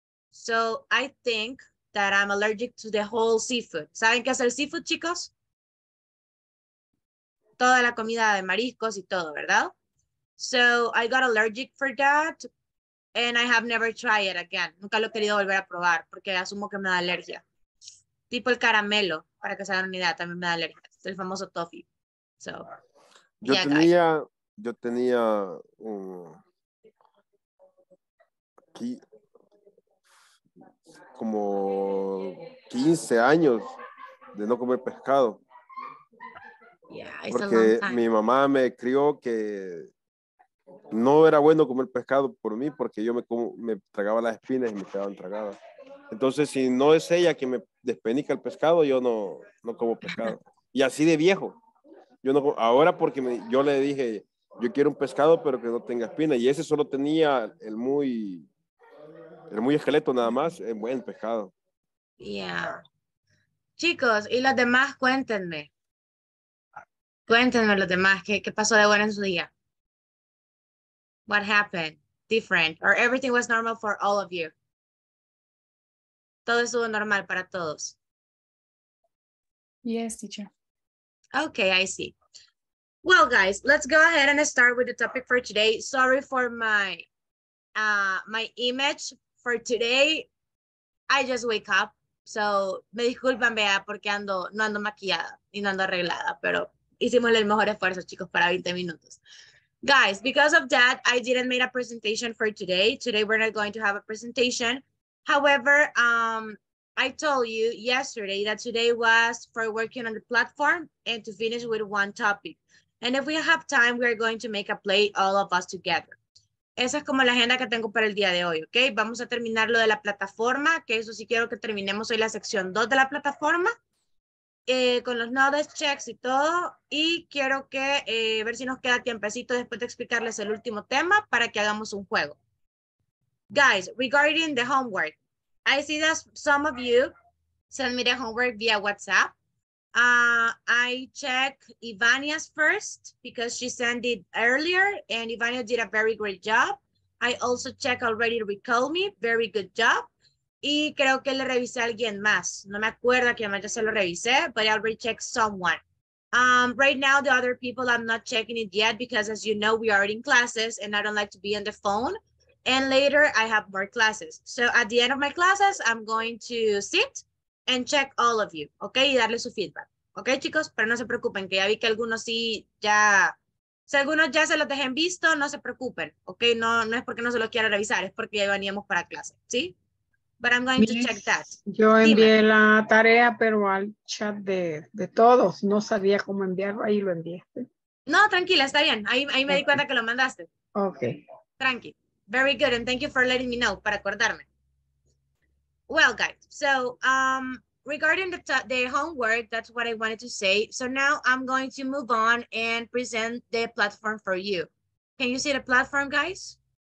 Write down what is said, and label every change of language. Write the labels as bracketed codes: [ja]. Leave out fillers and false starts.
[en] So I think that I'm allergic to the whole seafood. [es] ¿Saben qué es el seafood, chicos? Toda la comida de mariscos y todo, ¿verdad? [en] So I got allergic for that, and I have never tried it again. [es] Nunca lo he querido volver a probar, porque asumo que me da alergia. Tipo el caramelo, para que se hagan una idea, también me da alergia. Es el famoso toffee. So, yo tenía aquí como 15 años de no comer pescado. [en] Yeah, [es] porque mi mamá me crió que no era bueno comer pescado por mí, porque yo me tragaba las espinas y me quedaban tragadas. Entonces, si no es ella que me despenica el pescado, yo no como pescado. Y así de viejo. Yo no, ahora porque yo le dije, yo quiero un pescado, pero que no tenga espinas. Y ese solo tenía el muy esqueleto nada más, es buen pescado. Yeah. Chicos, y los demás, cuéntenme. Cuéntenme los demás, ¿qué pasó de bueno en su día? [en] What happened? Different. Or everything was normal for all of you. [es] Todo estuvo normal para todos. [en] Yes, teacher. Okay, I see. Well, guys, let's go ahead and start with the topic for today. Sorry for my image. For today, I just wake up, so [es] me disculpan, vea, porque no ando maquillada y no ando arreglada, pero hicimos el mejor esfuerzo, chicos, para 20 minutos. [en] Guys, because of that, I didn't make a presentation for today. Today, we're not going to have a presentation. However, I told you yesterday that today was for working on the platform and to finish with one topic. And if we have time, we are going to make a play, all of us together. [es] Esa es como la agenda que tengo para el día de hoy, ¿ok? Vamos a terminar lo de la plataforma, que eso sí quiero que terminemos hoy la sección 2 de la plataforma, con los knowledge checks y todo, y quiero que, ver si nos queda tiempecito después de explicarles el último tema para que hagamos un juego. [en] Guys, regarding the homework, I see that some of you send me the homework via WhatsApp. I check Ivania's first because she sent it earlier and Ivania did a very great job. I also check already Recall Me, very good job. [es] Y creo que le revisé a alguien más. No me acuerdo a quien más ya se lo revisé, [en] but I already checked someone. Right now, the other people, I'm not checking it yet because as you know, we are in classes and I don't like to be on the phone. And later I have more classes. So at the end of my classes, I'm going to sit and check all of you, okay, [es] y darle su feedback, okay, chicos, pero no se preocupen, que ya vi que algunos sí, ya, si algunos ya se los dejen visto, no se preocupen, okay, no, no es porque no se los quiera revisar, es porque ya veníamos para clase, ¿sí? [en] But I'm going to check that. [es] Yo envié la tarea, pero al chat de todos, no sabía cómo enviarlo, ahí lo envié. No, tranquila, está bien, ahí me di cuenta que lo mandaste. [en] Okay. Tranqui, very good, and thank you for letting me know, [es] para acordarme. [en] Well, guys, so regarding the homework, that's what I wanted to say. So now I'm going to move on and present the platform for you. Can you see the platform, guys?